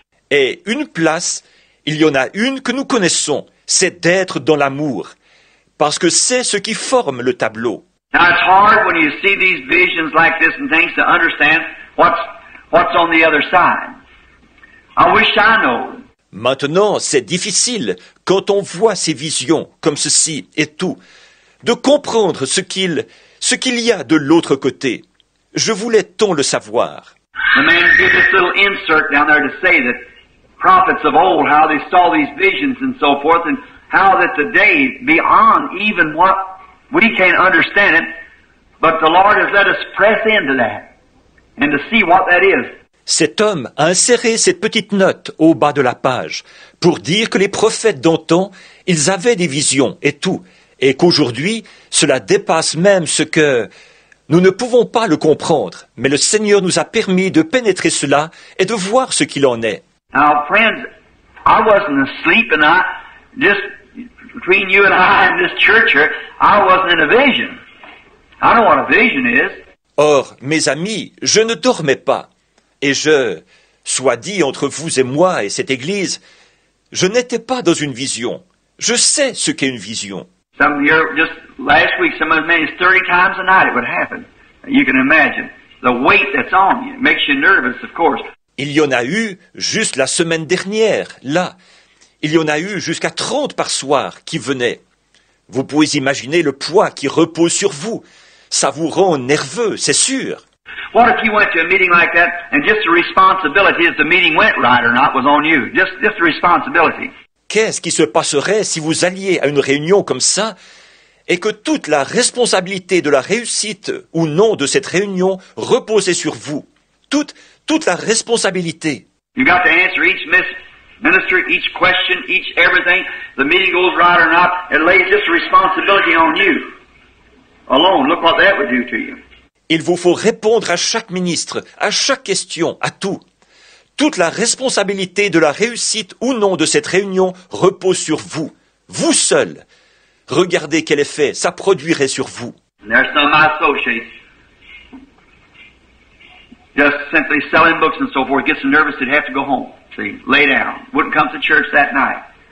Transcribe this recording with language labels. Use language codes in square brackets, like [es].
[fr] Et une place, il y en a une que nous connaissons, c'est d'être dans l'amour, parce que c'est ce qui forme le tableau. [en] Now, it's hard when you see these visions like this and things to understand what's on the other side. I wish I knew. [fr] Maintenant, c'est difficile, quand on voit ces visions comme ceci et tout, de comprendre ce qu'il y a de l'autre côté. Je voulais tant le savoir. [en] The man gave this little insert down there to say that prophets of old, how they saw these visions and so forth, and how that today, beyond even what we can't understand it, but the Lord has let us press into that and to see what that is. [fr] Cet homme a inséré cette petite note au bas de la page pour dire que les prophètes d'antan, ils avaient des visions et tout, et qu'aujourd'hui, cela dépasse même ce que... Nous ne pouvons pas le comprendre, mais le Seigneur nous a permis de pénétrer cela et de voir ce qu'il en est. [en] Now, friends, I wasn't asleep and I, just between you and I and this church here, I wasn't in a vision. I don't know what a vision is. [fr] Or, mes amis, je ne dormais pas. Et je, soit dit entre vous et moi et cette église, je n'étais pas dans une vision. Je sais ce qu'est une vision. [en] Some here, just last week, some as many as 30 times a night it would happen. You can imagine. The weight that's on you makes you nervous, of course. [fr] Il y en a eu juste la semaine dernière, là. Il y en a eu jusqu'à 30 par soir qui venaient. Vous pouvez imaginer le poids qui repose sur vous. Ça vous rend nerveux, c'est sûr. [en] What if you went to a meeting like that and just the responsibility if the meeting went right or not was on you? Just the responsibility. [fr] Qu'est-ce qui se passerait si vous alliez à une réunion comme ça et que toute la responsabilité de la réussite ou non de cette réunion reposait sur vous? Toute la responsabilité. [en] You got to answer each minister, each question, each everything. The meeting goes right or not, it lays this responsibility on you. Alone, look what that would do to you. [fr] Il vous faut répondre à chaque ministre, à chaque question, à tout. Toute la responsabilité de la réussite ou non de cette réunion repose sur vous, vous seul. Regardez quel effet ça produirait sur vous. [en] There's some of my associates. Just simply selling books and so forth, gets nervous, they'd have to go home. See, lay down. Wouldn't come to church that night.